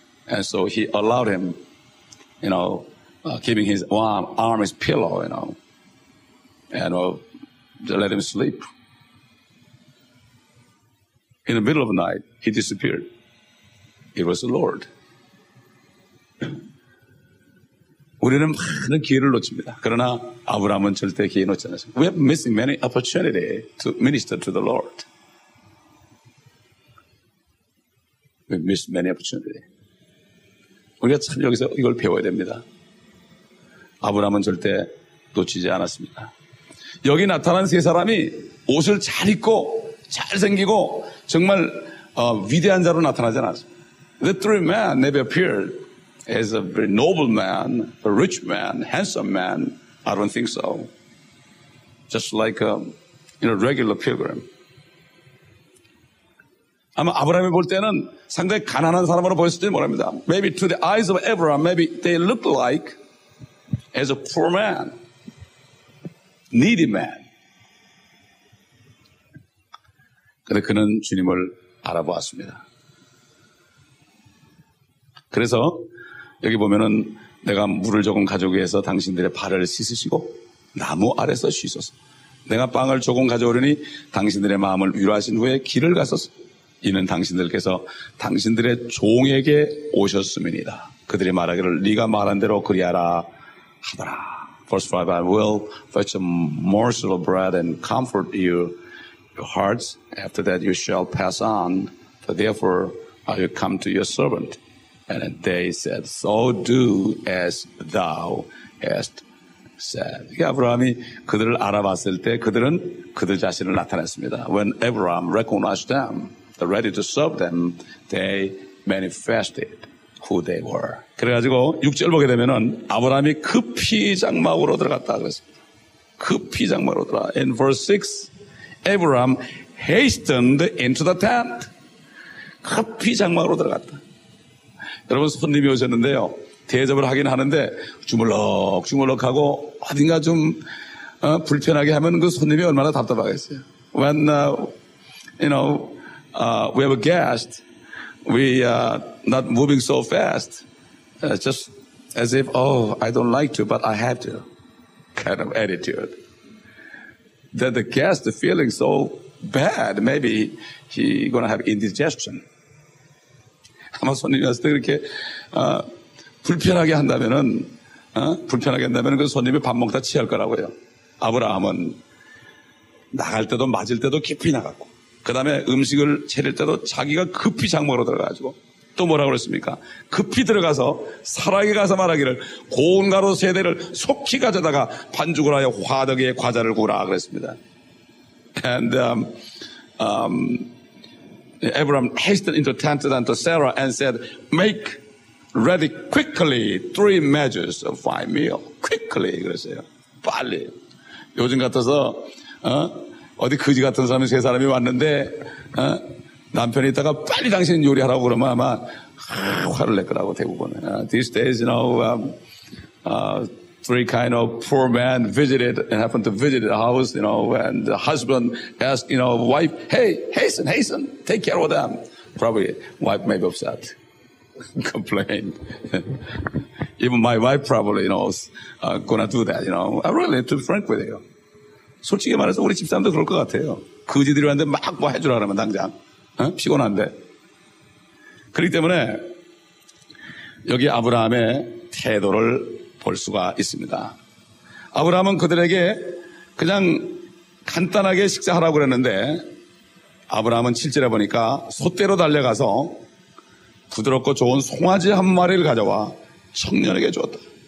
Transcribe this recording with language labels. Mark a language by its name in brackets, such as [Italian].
[English] And so he allowed him, you know, keeping his arm his pillow, you know, and let him sleep. In the middle of the night, he disappeared. It was the Lord. [Korean] 우리는 많은 기회를 놓칩니다. 그러나 아브라함은 절대 기회 놓지 않았습니다. [English] We have missing many opportunity to minister to the Lord. We miss many opportunity. [Korean] 우리가 참 여기서 이걸 배워야 됩니다. 아브라함은 절대 놓치지 않았습니다. 여기 나타난 세 사람이 옷을 잘 입고 잘생기고 정말 위대한 자로 나타나지 않았습니다. [English] The three men never appeared as a very noble man, a rich man, handsome man. I don't think so. Just like a regular pilgrim. [Korean] 아마 아브라함이 볼 때는 상당히 가난한 사람으로 보였을지 모릅니다. [English] Maybe to the eyes of Abraham, maybe they looked like as a poor man, needy man. [Korean] 그런데 그는 주님을 알아보았습니다. 그래서 여기 보면은 내가 물을 조금 가져오기 위해서 당신들의 발을 씻으시고 나무 아래서 쉬소서. 내가 빵을 조금 가져오려니 당신들의 마음을 위로하신 후에 길을 가소서. 이는 당신들께서 당신들의 종에게 오셨음이니이다. 그들이 말하기를 네가 말한 대로 그리하라 하더라. [English] Verse 5, I will fetch a morsel of bread and comfort you, your hearts. After that you shall pass on. For therefore I will come to your servant. And they said, so do as thou hast said. [Korean] 아브라함이 그들을 알아봤을 때 그들은 그들 자신을 나타냈습니다. [English] When Abraham recognized them, they're ready to serve them, they manifested who they were. [Korean] 그래가지고 6절 보게 되면은 아브라함이 급히 장막으로 들어갔다 그랬습니다. 급히 장막으로 들어. [English] In verse 6, Abraham hastened into the tent. [Korean] 급히 장막으로 들어갔다. 여러분 손님이 오셨는데요. 대접을 하긴 하는데 주물럭주물럭하고 어딘가 좀 불편하게 하면 그 손님이 얼마나 답답하겠어요. [English] When we have a guest, we are not moving so fast. Just as if, oh, I don't like to, but I have to. Kind of attitude. That the guest is feeling so bad, maybe he's going to have indigestion. [Korean] 아마 손님이 왔을 때 그렇게 불편하게 한다면 그 손님이 밥 먹다 취할 거라고요. 아브라함은 나갈 때도 맞을 때도 깊이 나갔고 그 다음에 음식을 차릴 때도 자기가 급히 장막으로 들어가가지고 또 뭐라고 그랬습니까? 급히 들어가서 사라기 가서 말하기를 고운 가루 세 대를 속히 가져다가 반죽을 하여 화덕에 과자를 구라 그랬습니다. [English] And Abraham hastened into the tent unto Sarah and said, make ready quickly three measures of fine meal. Quickly, [Korean] 그랬어요. 빨리. 요즘 같아서, 어디 거지 같은 사람이 세 사람이 왔는데, 남편이 있다가 빨리 당신 요리하라고 그러면 아마, 화를 낼 거라고 대부분. [English] These days, you know, three kind of poor men visited and happened to visit the house, you know, and the husband asked, you know, wife, hey, hasten, take care of them. Probably, wife may be upset, complained. Even my wife probably, you know, gonna do that, you know. I'm really to be frank with you. [Korean] 솔직히 말해서 우리 집사람도 그럴 것 같아요. 거지들이 왔는데 막 뭐 해주라 그러면 당장. 피곤한데. 그렇기 때문에 여기 아브라함의 태도를 볼 수가 있습니다. 아브라함은 그들에게 그냥 간단하게 식사하라고 그랬는데 아브라함은 7절에 보니까 소떼로 달려가서 부드럽고 좋은 송아지 한 마리를 가져와 청년에게 주었다.